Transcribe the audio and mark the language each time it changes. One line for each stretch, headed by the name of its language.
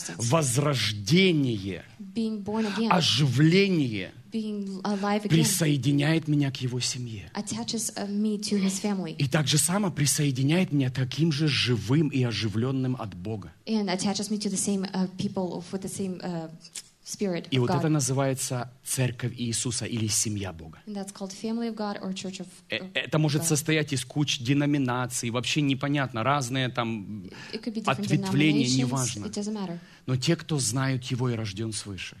Russian: Возрождение, оживление
English: being alive again,
Russian: присоединяет меня к его семье.
English: Attaches me to his family.
Russian: И так же само присоединяет меня таким же живым и оживленным от Бога.
English: And attaches me to the same people with the same spirit of
Russian: и вот
English: God.
Russian: Это называется церковь Иисуса или семья Бога.
English: And that's called family of God or church of God.
Russian: Это может состоять из куч деноминаций, вообще непонятно, разные там ответвления, неважно.
English: It doesn't matter.
Russian: Но те, кто знают Его и рожден свыше,